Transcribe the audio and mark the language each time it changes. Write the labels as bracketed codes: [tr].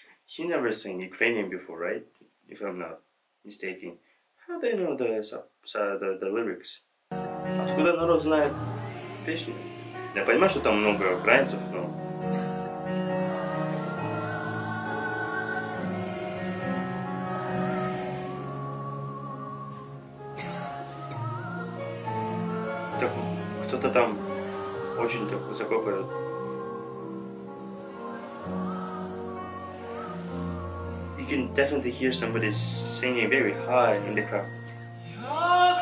[en] he never sang Ukrainian before, right? If I'm not mistaken. How do you know the lyrics? [ru] Откуда народ знает песню? Я понимаю, что там много украинцев, но... Так, кто-то там очень так высоко поет. [en] You can definitely hear somebody singing very high in the crowd.